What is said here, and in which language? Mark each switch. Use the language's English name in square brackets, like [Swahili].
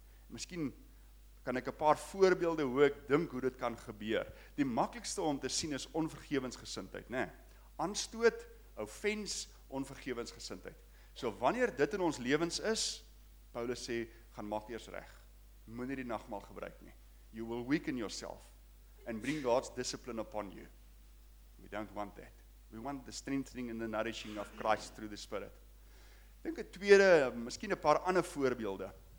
[Afrikaans] Miskien kan ek 'n paar voorbeelde hoe ek dink hoe dit kan gebeur. Die maklikste om te sien is onvergewensgesindheid, né? Aanstoot, offense, onvergewensgesindheid. So wanneer dit in ons lewens is, Paulus sê, gaan maak eers reg. Moenie die nagmaal gebruik nie. [English] You will weaken yourself and bring God's discipline upon you. We don't want that. We want the strengthening and the nourishing of Christ through the Spirit. [Afrikaans] Dink 'n tweede, miskien 'n paar ander voorbeelde.